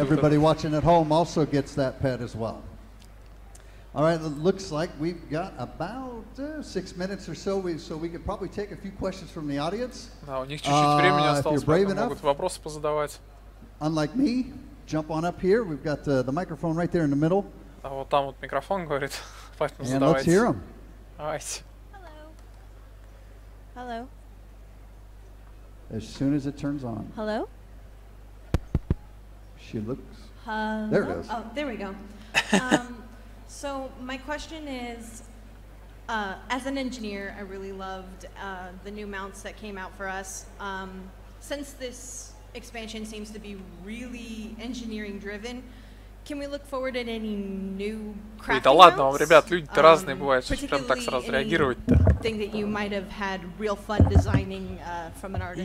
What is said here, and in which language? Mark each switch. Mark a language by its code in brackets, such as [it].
[en] Everybody watching at home also gets that pet as well. All right, it looks like we've got about 6 minutes or so, so we could probably take a few questions from the audience. [ru] Да, у них чуть-чуть времени осталось, [en] if you're brave enough, [ru] могут вопросы позадавать. [en] Unlike me, jump on up here. We've got the microphone right there in the middle. [ru] А вот там вот микрофон говорит, поэтому задавайте. [en] And let's hear him. [ru] Давайте. [en] Hello. Hello. As soon as it turns on. Hello. She looks. Hello? There it is. Oh, there we go. So my question is, as an engineer, I really loved the new mounts that came out for us. Since this expansion seems to be really engineering driven, can we look forward at any new crafting mounts? [ru] Да ладно, вам, ребят, люди-то разные бывают, что прям так сразу реагировать-то. [en] Thing that you might have had real fun designing from an artist.